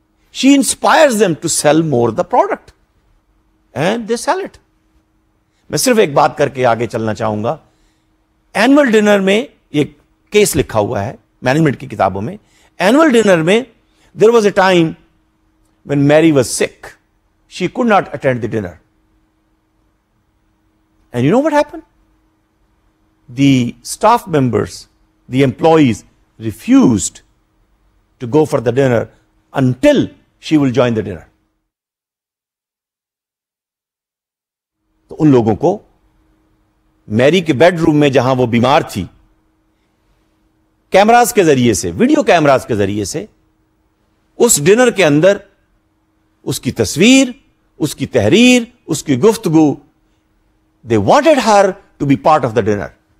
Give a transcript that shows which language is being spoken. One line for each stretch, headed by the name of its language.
English: She inspires them to sell more the product and they sell it.
Urdu: میں صرف ایک بات کر کے آگے چلنا چاہوں گا. Annual dinner میں ایک کیس لکھا ہوا ہے مینجمنٹ کی کتابوں میں.
English: Annual dinner میں there was a time when Mary was sick. She could not attend the dinner. And you know what happened? The staff members, the employees refused to go for the dinner until she will join the dinner.
Urdu: تو ان لوگوں کو میری کے bed room میں جہاں وہ بیمار تھی, کیمراز کے ذریعے سے, ویڈیو کیمراز کے ذریعے سے اس ڈنر کے اندر اس کی تصویر, اس کی تحریر, اس کی گفتگو,
English: they wanted her to be part of the dinner.